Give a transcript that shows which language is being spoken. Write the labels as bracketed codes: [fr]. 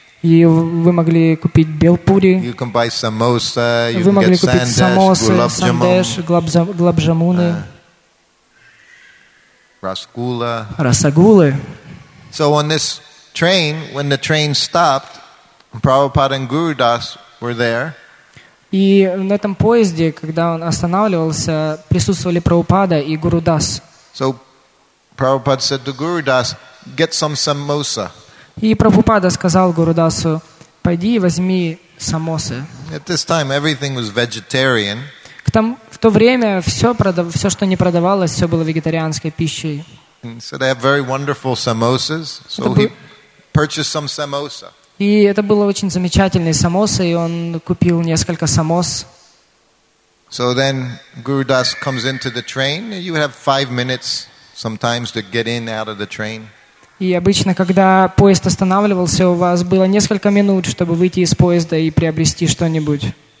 [ru] И вы могли купить белпури. [en] You can buy samosa. You [ru] вы могли [en] can get [ru] купить самосы, сандеш, глобжамуны, расгула, расагулы. [en] So on this train, when the train stopped, Prabhupada and Gurudas were there. [ru] И на этом поезде, когда он останавливался, присутствовали Прабхупада и Гурудас. [en] So Prabhupada said to Gurudas, get some samosa. [ru] И Прабхупада сказал Гурудасу, пойди и возьми самосы. [en] At this time everything was vegetarian. [ru] В то время все, что не продавалось, все было вегетарианской пищей. [en] So they have very wonderful samosas. So he purchased some samosa. [ru] И это было очень замечательные самосы, и он купил несколько самос. [en] So then Gurudas comes into the train. You have 5 minutes sometimes to get in out of the train. [ru] И обычно, когда поезд останавливался, у вас было несколько минут, чтобы выйти из поезда и приобрести что-нибудь.